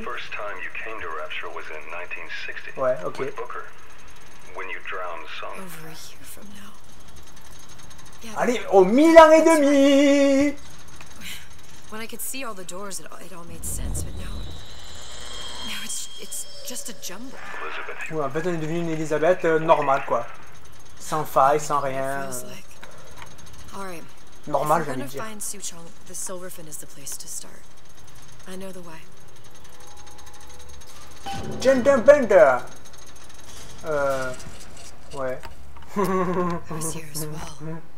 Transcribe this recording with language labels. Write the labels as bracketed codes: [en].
[en] The first time you came to Rapture was in 1960. [fr] Ouais, ok. [en] With Booker, when you drowned some. Over a year from now. [fr] Allez, au 1000 ans et demi. [en] When I could see all the doors, it all made sense, but now. Now it's just a jumble. Elizabeth. [fr] Ouais, en fait, on est devenu une Elizabeth normale, quoi. Sans faille, sans rien. Normal, j'allais dire. [en] If we're gonna find Suchong, the Silverfin is the place to start. I know the way. Gender Bender. [fr] Ouais. [en] I was here as well.